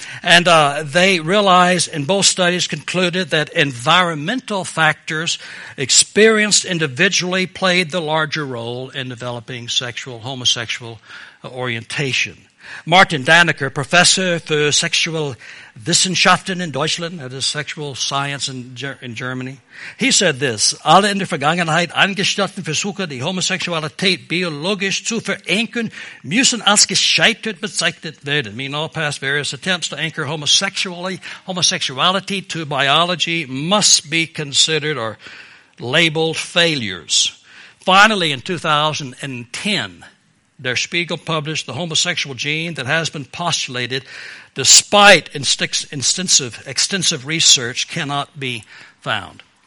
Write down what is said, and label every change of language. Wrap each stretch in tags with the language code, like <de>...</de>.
<en>And they realized in both studies concluded that environmental factors experienced individually played the larger role in developing sexual homosexual orientation. Martin Daniker, professor for sexual</en> <de>Wissenschaften in Deutschland,</de> <en>that is sexual science in Germany. He said this,</en> <de>alle in der Vergangenheit angestellten Versuche, die Homosexualität biologisch zu verankern, müssen als gescheitert bezeichnet werden.</de> <en>Meaning all past various attempts to anchor homosexuality to biology must be considered or labeled failures. Finally, in 2010, Der Spiegel published the homosexual gene that has been postulated despite extensive research cannot be found.</en>